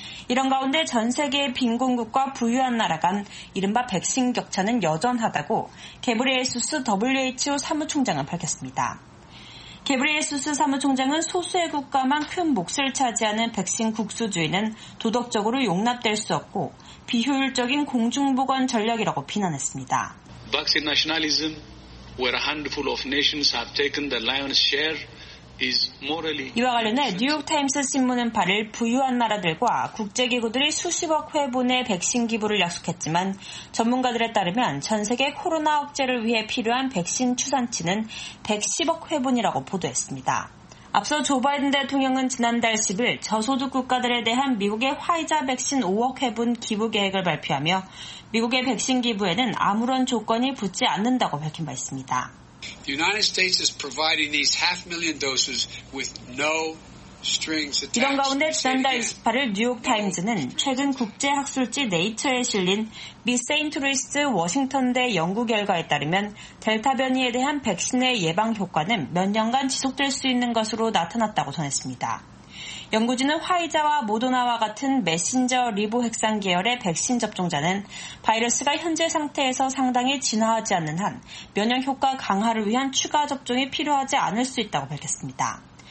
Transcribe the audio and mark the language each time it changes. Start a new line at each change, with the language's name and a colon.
Korean: 이런 가운데 전 세계의 빈곤국과 부유한 나라 간 이른바 백신 격차는 여전하다고 게브리에수스 WHO 사무총장은 밝혔습니다. 게브리에수스 사무총장은 소수의 국가만 큰 몫을 차지하는 백신 국수주의는 도덕적으로 용납될 수 없고 비효율적인 공중보건 전략이라고 비난했습니다.
English: Vaccine nationalism, where a handful of nations have taken the lion's share,
Korean: 이와 관련해 뉴욕타임스 신문은 8일 부유한 나라들과 국제기구들이 수십억 회분의 백신 기부를 약속했지만 전문가들에 따르면 전 세계 코로나 억제를 위해 필요한 백신 추산치는 110억 회분이라고 보도했습니다. 앞서 조 바이든 대통령은 지난달 10일 저소득 국가들에 대한 미국의 화이자 백신 5억 회분 기부 계획을 발표하며 미국의 백신 기부에는 아무런 조건이 붙지 않는다고 밝힌 바 있습니다.
English: The United States is providing these half million doses with no strings attached.
Korean: 이런 가운데 지난달 28일 뉴욕타임즈는 최근 국제학술지 네이처에 실린 미 세인트루이스 워싱턴대 연구 결과에 따르면 델타 변이에 대한 백신의 예방 효과는 몇 년간 지속될 수 있는 것으로 나타났다고 전했습니다. 연구진은 화이자와 모더나와 같은 메신저 리보핵산 계열의 백신 접종자는 바이러스가 현재 상태에서 상당히 진화하지 않는 한 면역 효과 강화를 위한 추가 접종이 필요하지 않을 수 있다고 밝혔습니다.